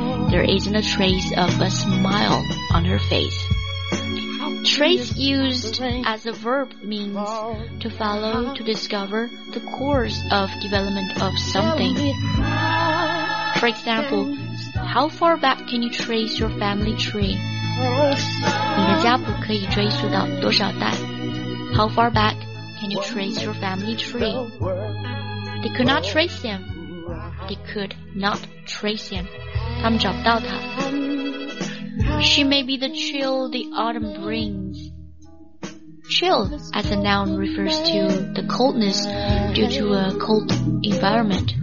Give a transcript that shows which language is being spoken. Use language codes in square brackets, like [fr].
[en] There isn't a trace of a smile on her face. Trace used as a verb means to follow, to discover the course of development of something. For example, how far back can you trace your family tree? [zh] 你的家谱可以追溯到多少代? [en] How far back can you trace your family tree? They could not trace him. They could not trace him. [zh] 他们找不到他。 [en] She may be the chill the autumn brings. Chill as a noun refers to the coldness due to a cold environment.